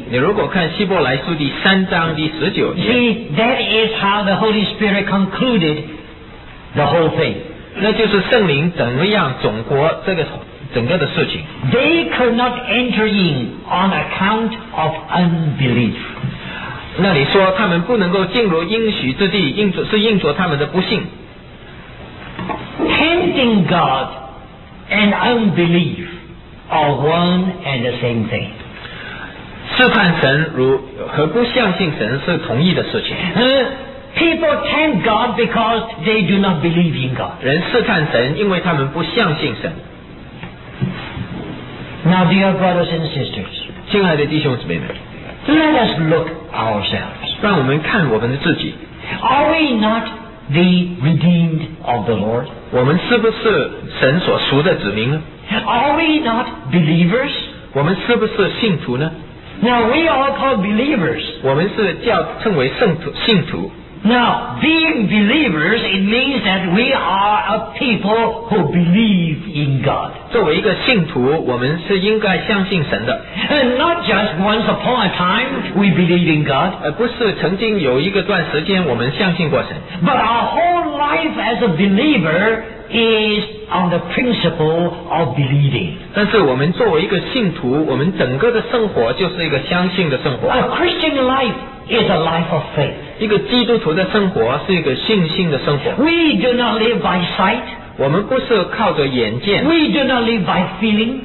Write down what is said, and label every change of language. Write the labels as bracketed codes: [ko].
[zh] 你如果看希伯来书第三章第十九节， [en] See, that is how the Holy Spirit concluded the whole thing. [zh] 那就是圣灵怎么样总括这个整个的事情。 [en] They could not enter in on account of unbelief. [zh] 那你说他们不能够进入应许之地，是因着他们的不信。 [en] Tempting God and unbelief are one and the same thing. [zh] 试探神如何不相信神是同一的事情。 [en] People tempt God because they do not believe in God. [zh] 人试探神因为他们不相信神。 [en] Now, dear brothers and sisters, [zh] 亲爱的弟兄姊妹们， [en] let us look ourselves. [zh] 让我们看我们自己。 [en] Are we not the redeemed of the Lord? [zh] 我们是不是神所赎的子民呢？ [en] Are we not believers? [zh] 我们是不是信徒呢？ [en] Now we are called believers. [zh] 我们是叫称为圣徒信徒。 [en] Now being believers, it means that we are a people who believe in God. [zh] 作为一个信徒，我们是应该相信神的。 [en] And not just once upon a time we believe in God. [zh] 不是曾经有一个段时间我们相信过神。 [en] But our whole life as a believer is on the principle of believing. [zh] 但是我们作为一个信徒，我们整个的生活就是一个相信的生活。 [en] A Christian life is a life of faith. [zh] 一个基督徒的生活是一个信心的生活。 [en] We do not live by sight. [zh] 我们不是靠着眼见。 [en] We do not live by feeling.